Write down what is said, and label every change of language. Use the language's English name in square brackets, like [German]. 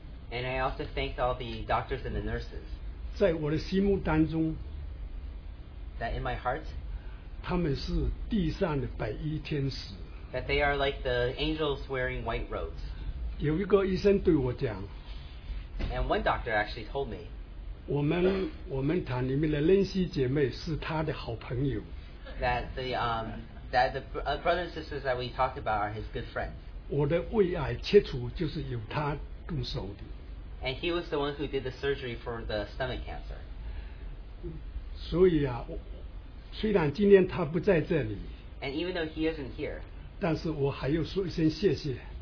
[English] and I also thank all the doctors and the nurses. [Chinese] 在我的心目当中, [English] that in my heart, [Chinese] 他们是地上的白衣天使, [English] that they are like the angels wearing white robes. [Chinese] 有一个医生对我讲, [English] and one doctor actually told me, [Chinese] 我们堂里面的Lindsay姐妹是他的好朋友, [English] that the brothers and sisters that we talked about are his good friends. [Chinese] 我的胃癌切除就是由他动手的, [English] And he was the one who did the surgery for the stomach cancer. [Chinese] 所以啊, 虽然今天他不在这里, [English] and even though he isn't here, [Chinese] 但是我还要说一声谢谢,